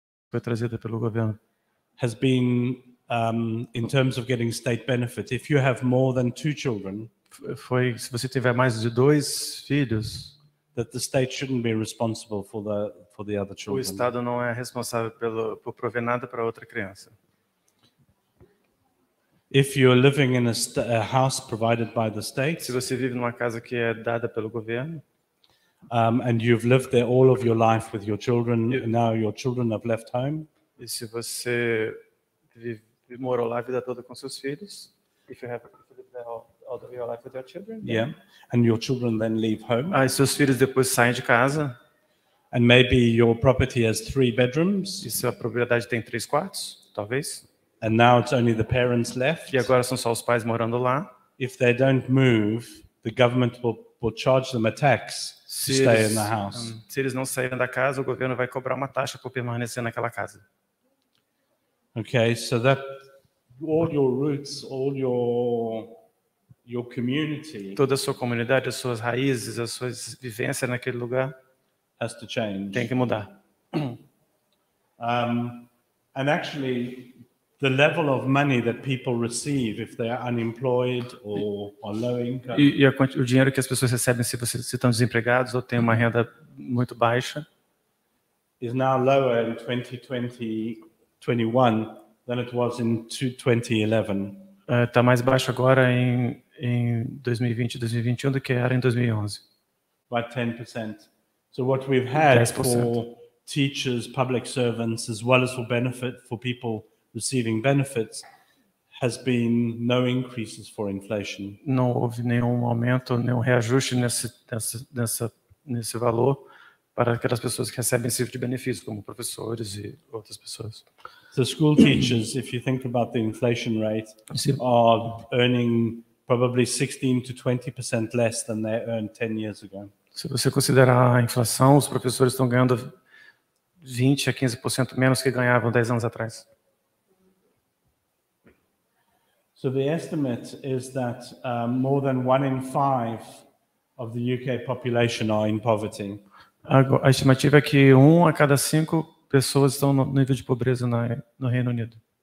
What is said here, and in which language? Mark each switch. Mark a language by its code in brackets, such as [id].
[pt] Foi trazida pelo governo. [en] Has been in terms of getting state benefit. If you have more than two children, [pt] foi se você tiver mais de dois filhos, [en] that the state shouldn't be responsible for the other children. [pt] O estado não é responsável por prover nada para outra criança. [en] If you're living in a house provided by the state, [pt] se você vive numa casa que é dada pelo governo. [en] And you've lived there all of your life with your children. Now your children have left home. [pt] E se você morou lá a vida toda com seus filhos, [en] if you have out of your life with your children. Yeah. And your children then leave home. [pt] Ah, e seus filhos depois saem de casa. [en] And maybe your property has three bedrooms. [pt] E sua propriedade tem três quartos, talvez. [en] And now it's only the parents left. [pt] E agora são só os pais morando lá. [en] If they don't move, the government will charge them a tax to stay in the house. [pt] Se eles não saírem da casa, o governo vai cobrar uma taxa por permanecer naquela casa. [en] Okay, so that all your roots, all your community. [pt] Toda a sua comunidade, as suas raízes, as suas vivências naquele lugar. [en] Has to change. [pt] Tem que mudar. [en] And actually, the level of money that people receive if they are unemployed or low income. [pt] E o dinheiro que as pessoas recebem se vocês estão desempregados ou têm uma renda muito baixa. [en] Is now lower in 2021 than it was in 2011. [pt] Está mais baixo agora em 2020, 2021 do que era em 2011. [en] By 10%. So what we've had 10%. For teachers, public servants, as well as for benefit for people receiving benefits, has been no increases for inflation. [pt] Não houve nenhum aumento, nenhum reajuste nesse valor para aquelas pessoas que recebem esse tipo de benefício, como professores e outras pessoas. [en] So school teachers, if you think about the inflation rate, are earning probably 16 to 20% less than they earned 10 years ago. [pt] Se você considerar a inflação, os professores estão ganhando 20 a 15% menos que ganhavam 10 anos atrás. [en] So the estimate is that more than one in five of the UK population are in poverty. [pt] A estimativa é que a cada cinco pessoas estão no nível de pobreza no Reino Unido.